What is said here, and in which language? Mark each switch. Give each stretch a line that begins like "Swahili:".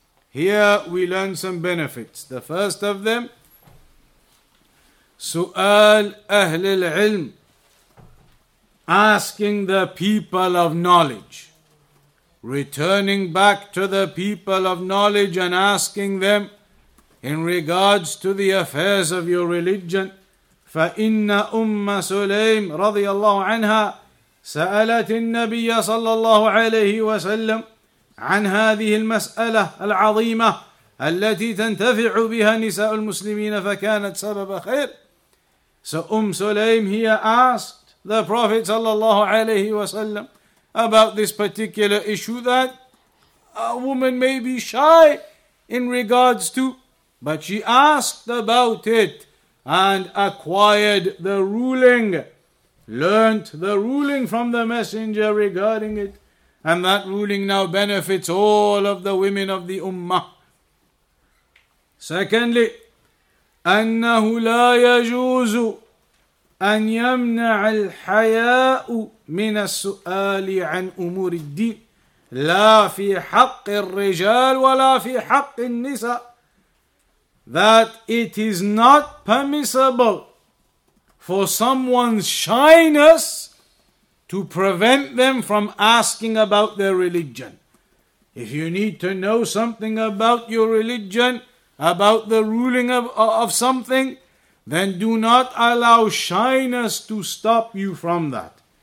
English: Here we learn some benefits. The first of them,
Arabic: سؤال أهل العلم,
English: asking the people of knowledge, returning back to the people of knowledge and asking them in regards to the affairs of your religion.
Arabic: فَإِنَّ أُمَّ سُلَيْمْ رضي الله عنها سألت النبي صلى الله عليه وسلم عن هذه المسألة العظيمة التي تنتفع بها نساء المسلمين فكانت سبب خير.
English: So Sulaim, he asked the Prophet sallallahu alayhi wa sallam about this particular issue that a woman may be shy in regards to, but she asked about it and acquired the ruling, learnt the ruling from the Messenger regarding it, and that ruling now benefits all of the women of the Ummah. Secondly,
Arabic: أَنَّهُ لَا يَجُوزُ أن يمنع الحياء من السؤال عن أمور الدين. لا في حق الرجال ولا في حق النساء.
English: That it is not permissible for someone's shyness to prevent them from asking about their religion. If you need to know something about your religion, about the ruling of something, then do not allow shyness to stop you from that.